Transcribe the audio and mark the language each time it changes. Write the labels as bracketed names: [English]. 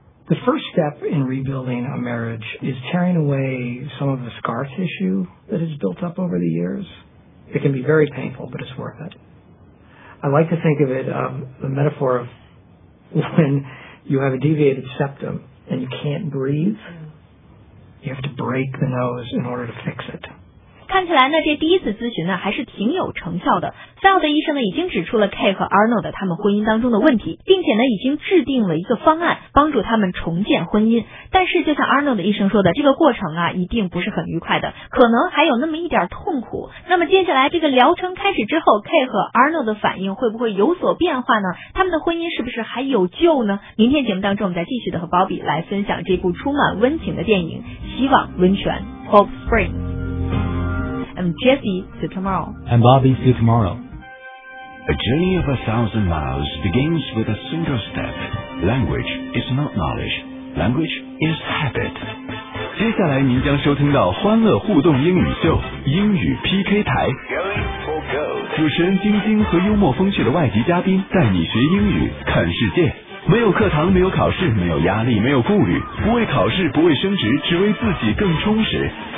[English] The first step in rebuilding a marriage is tearing away some of the scar tissue that has built up over the years. It can be very painful, but it's worth it. I like to think of it, the metaphor of when you have a deviated septum and you can't breathe, you have to break the nose in order to fix it. [Chinese] 看起来呢，这第一次咨询呢还是挺有成效的。菲奥的医生呢已经指出了 K 和 Arnold 他们婚姻当中的问题，并且呢已经制定了一个方案帮助他们重建婚姻。但是就像 Arnold 的医生说的，这个过程啊一定不是很愉快的，可能还有那么一点痛苦。那么接下来这个疗程开始之后， K 和 Arnold 的反应会不会有所变化呢？他们的婚姻是不是还有救呢？明天节目当中我们再继续的和 Bobby 来分享这部充满温情的电影《希望温泉》 Hope Spring。 [English] I'm Jesse, see you tomorrow. And Bobby, see you tomorrow. A journey of 1,000 miles begins with a single step. Language is not knowledge. Language is habit. [Chinese] 接下来您将收听到欢乐互动英语秀英语 PK 台。主持人晶晶和幽默风趣的外籍嘉宾带你学英语看世界。没有课堂，没有考试，没有压力，没有顾虑，不为考试，不为升职，只为自己更充实。